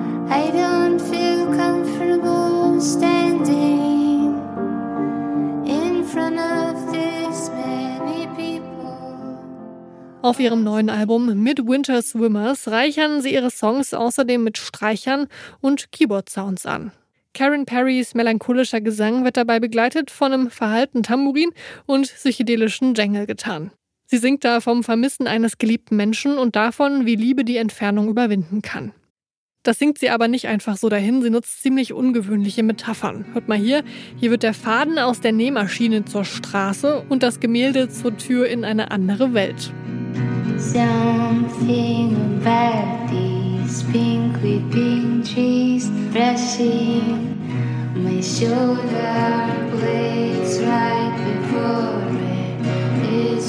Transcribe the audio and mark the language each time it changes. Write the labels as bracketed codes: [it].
[en] I don't feel comfortable standing in front of this many people. [de] Auf ihrem neuen Album Midwinter Swimmers reichern sie ihre Songs außerdem mit Streichern und Keyboard-Sounds an. Karen Perrys melancholischer Gesang wird dabei begleitet von einem verhalten Tambourin und psychedelischen Jangle-Gitarren. Sie singt da vom Vermissen eines geliebten Menschen und davon, wie Liebe die Entfernung überwinden kann. Das singt sie aber nicht einfach so dahin, sie nutzt ziemlich ungewöhnliche Metaphern. Hört mal hier, hier wird der Faden aus der Nähmaschine zur Straße und das Gemälde zur Tür in eine andere Welt. [en] Something about these pink weeping trees brushing my shoulder blades right before me.